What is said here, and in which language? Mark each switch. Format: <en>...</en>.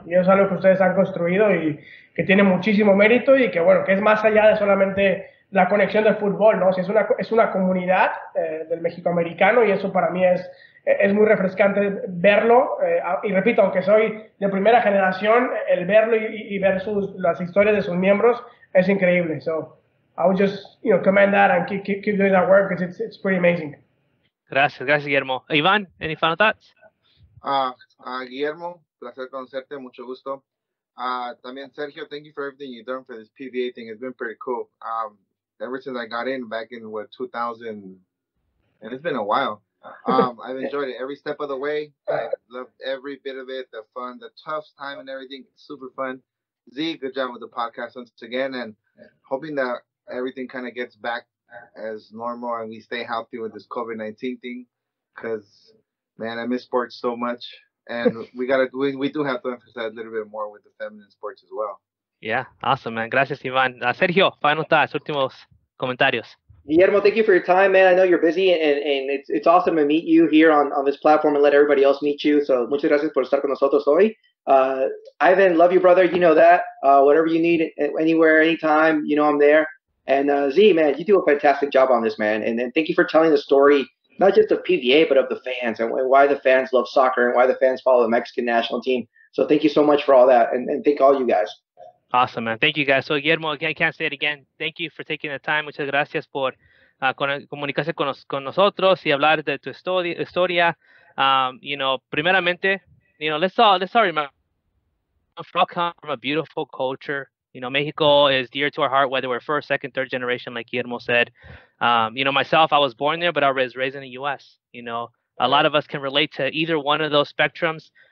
<es>Y eso es algo que ustedes han construido y que tiene muchísimo mérito y que, bueno, que es más allá de solamente la conexión del fútbol, ¿no? O sea, es una comunidad del mexicoamericano y eso para mí es muy refrescante verlo. Y repito, aunque soy de primera generación, el verlo y ver las historias de sus miembros es increíble.</es> <en>So, I would just, you know, commend that and keep doing that work because it's pretty amazing. Gracias, Guillermo. Iván, any final thoughts? Guillermo,</en> <es>placer conocerte, mucho gusto. También</es> <en>Sergio, thank you for everything you've done for this PBA thing. It's been pretty cool. Ever since I got in back in, 2000, and it's been a while. I've enjoyed it every step of the way. I loved every bit of it, the fun, the tough time and everything. Super fun. Z, good job with the podcast once again, and hoping that everything kind of gets back as normal and we stay healthy with this COVID-19 thing, because man, I miss sports so much, and we do have to emphasize a little bit more with the feminine sports as well. Yeah, awesome, man. Gracias, Ivan. Sergio, final thoughts,</en> <es>últimos comentarios.</es> <en>Guillermo, thank you for your time, man. I know you're busy, and it's awesome to meet you here on this platform and let everybody else meet you.</en> <es>So muchas gracias por estar con nosotros hoy.</es> <en>Ivan, love you, brother. You know that. Whatever you need, anywhere, anytime, you know I'm there. And Z, man, you do a fantastic job on this, man. And thank you for telling the story, not just of PBA, but of the fans and why the fans love soccer and why the fans follow the Mexican national team. So thank you so much for all that. And thank all you guys. Awesome, man. Thank you, guys. So Guillermo, again, I can't say it again. Thank you for taking the time.</en> <es>Muchas gracias por comunicarse con nosotros y hablar de tu historia.</es> <en>You know, primeramente, you know, let's all remember, we come from a beautiful culture. You know, Mexico is dear to our heart, whether we're first, second, third generation, like Guillermo said. You know, myself, I was born there, but I was raised in the U.S. You know, a lot of us can relate to either one of those spectrums.</en>